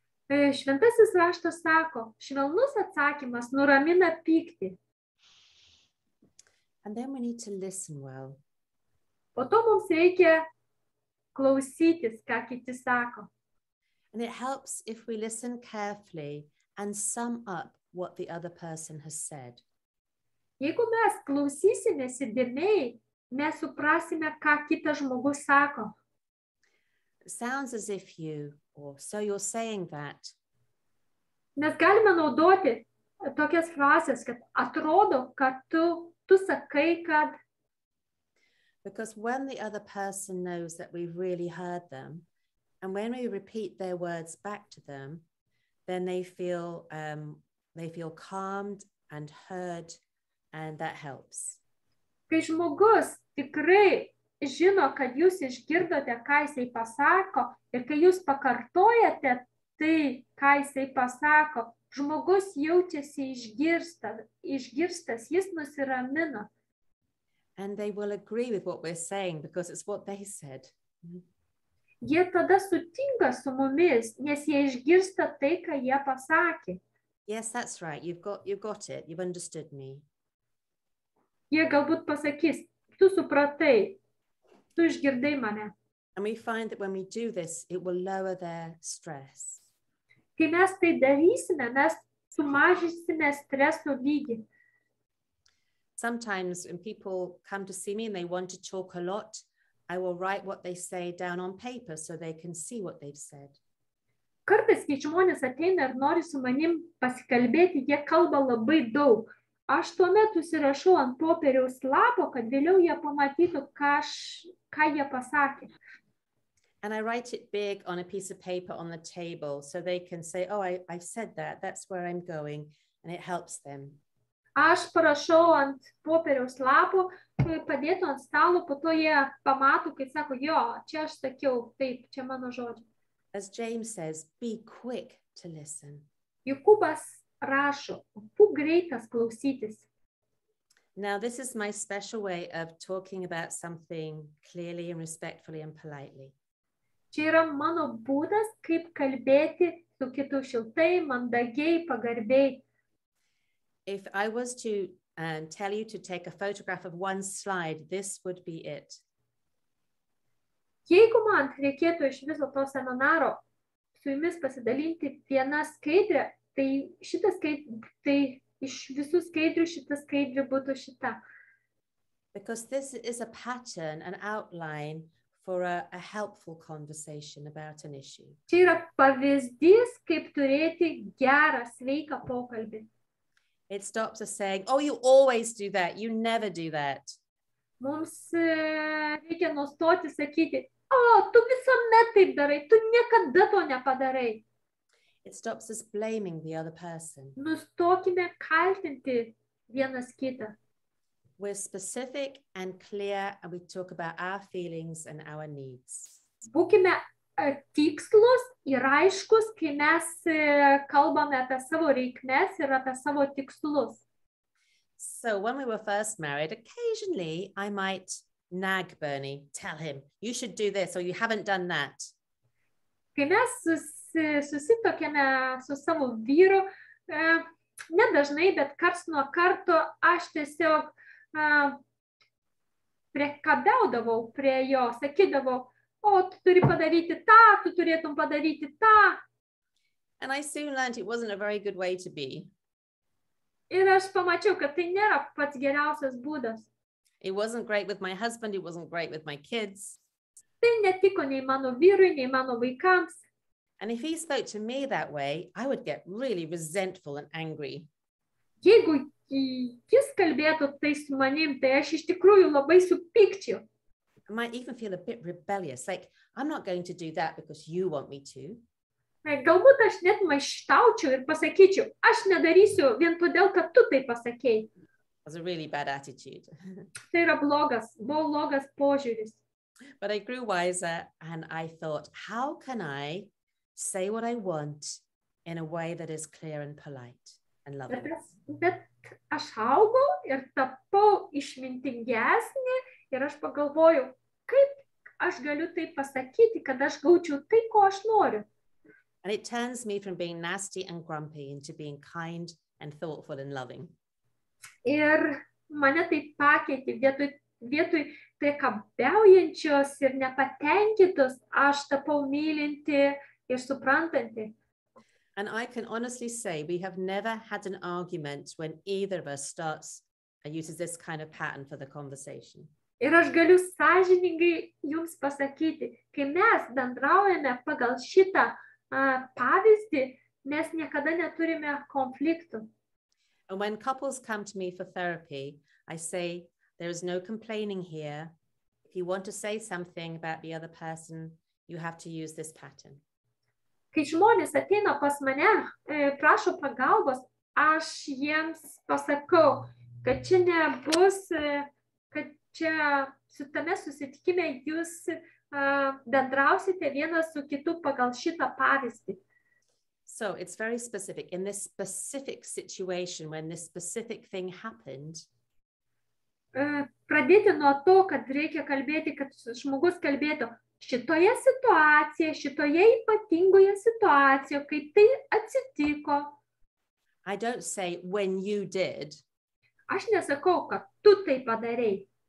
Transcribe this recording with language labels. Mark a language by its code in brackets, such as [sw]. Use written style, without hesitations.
[lt] Šventasis raštas sako, švelnus atsakymas nuramina pyktį. [en] And then we need to listen well. [lt] Po to mums reikia klausytis, ką kiti sako. [en] And it helps if we listen carefully and sum up what the other person has said. [lt] Jeigu mes klausysimės įdėmiai, mes suprasime, ką kitas žmogus sako. [en] Sounds as if you, or so you're saying that. [lt] Mes galime naudoti tokias frazes, kad atrodo, kad tu sakai, kad. [en] Because when the other person knows that we've really heard them, and when we repeat their words back to them, then they feel calmed and heard, and that helps. [lt] Kai žmogus tikrai žino, kad jūs išgirdote, ką jisai pasako, ir kai jūs pakartojate tai, ką jisai pasako, žmogus jaučiasi išgirstas, jis nusiramina. [en] And they will agree with what we're saying, because it's what they said. [lt] Jie tada sutinka su mumis, nes jie išgirsta tai, ką jie pasakė. [en] Yes, that's right. You've got it. You've understood me. [lt] Jie galbūt pasakys, tu supratai, tu išgirdai mane. [en] And we find that when we do this, it will lower their stress. [lt] Kai mes tai darysime, mes sumažysime streso lygį. [en] Sometimes when people come to see me and they want to talk a lot, I will write what they say down on paper so they can see what they've said. [lt] Kartais, kai žmonės ateina ir nori su manim pasikalbėti, jie kalba labai daug. Aš tuomet užsirašau ant popieriaus lapo, kad vėliau jie pamatytų, ką jie pasakė. [en] And I write it big on a piece of paper on the table so they can say, oh, I said that, that's where I'm going, and it helps them. [lt] Aš parašau ant popieriaus lapo, padėtų ant stalo, po to jie pamatų, kai sako, jo, čia aš sakiau, taip, čia mano žodžiai. [en] As James says, be quick to listen. [lt] Jokūbas rašo, būk greitas klausytis. [en] Now, this is my special way of talking about something clearly and respectfully and politely. [lt] Čia yra mano būdas, kaip kalbėti su kitu šiltai, mandagiai, pagarbiai. [en] If I was to tell you to take a photograph of one slide, this would be it. [lt] Jeigu man reikėtų iš viso to seminaro su jumis pasidalinti vieną skaidrę, tai šitą skaidrę, tai iš visų skaidrių šitą skaidrę būtų šita. [en] Because this is a pattern, an outline for a helpful conversation about an issue. [lt] Čia yra pavyzdys, kaip turėti gerą, sveiką pokalbį. [en] It stops us saying, oh, you always do that, you never do that. [lt] Mums reikia nustoti sakyti, o, tu visuomet taip darai, tu niekada to nepadarai. [en] It stops us blaming the other person. [lt] Nustokime kaltinti vienas kitą. [en] We're specific and clear and we talk about our feelings and our needs. [lt] Būkime tikslus ir aiškus, kai mes kalbame apie savo reikmes ir apie savo tikslus. [en] So when we were first married, occasionally I might nag Bernie, tell him, you should do this or you haven't done that. [lt] Kai mes susitokėme su savo vyru, nedažnai, bet karts nuo karto aš tiesiog priekabiaudavau prie jo, sakydavau, o tu turi padaryti tą, tu turėtum padaryti tą. [en] And I soon learned it wasn't a very good way to be. [lt] Ir aš pamačiau, kad tai nėra pats geriausias būdas. [en] It wasn't great with my husband, it wasn't great with my kids. [lt] Tai netiko nei mano vyrui, nei mano vaikams. [en] And if he spoke to me that way, I would get really resentful and angry. [lt] Jeigu jis kalbėtų tai su manim, tai aš iš tikrųjų labai supykčiau. [en] I might even feel a bit rebellious, like, I'm not going to do that because you want me to. [lt] Galbūt aš net maištaučiau ir pasakyčiau, aš nedarysiu vien todėl, kad tu tai pasakėjai. [en] That's a really bad attitude. [lt] Tai yra blogas, buvo blogas požiūris. [en] But I grew wiser and I thought, how can I say what I want in a way that is clear and polite and loving? [lt] Bet aš augau ir tapau išmintingesnė ir aš pagalvojau, kaip aš galiu tai pasakyti, kad aš gaučiau tai, ko aš noriu. [en] And it turns me from being nasty and grumpy into being kind and thoughtful and loving. [lt] Ir mane tai pakeitė, vietoj priekabiaujančios ir nepatenkintos, aš tapau mylinti ir suprantanti. [en] And I can honestly say we have never had an argument when either of us starts and uses this kind of pattern for the conversation. [lt] Ir aš galiu sąžiningai jums pasakyti, kai mes bendraujame pagal šitą pavyzdį, mes niekada neturime konfliktų. [en] And when couples come to me for therapy, I say, there is no complaining here. If you want to say something about the other person, you have to use this pattern. [lt] Kai žmonės ateina pas mane, prašo pagalbos, aš jiems pasakau, kad čia nebus, kad čia su tame susitikime jūs bendrausite vienas su kitu pagal šitą pavyzdį. [en] So it's very specific. In this specific situation, when this specific thing happened, [lt] pradėti nuo to, kad reikia kalbėti, kad žmogus kalbėtų šitoje situacijoje, šitoje ypatingoje situacijoje, kai tai atsitiko. [en] I don't say, when you did. [lt] Aš nesakau, kad tu tai padarei.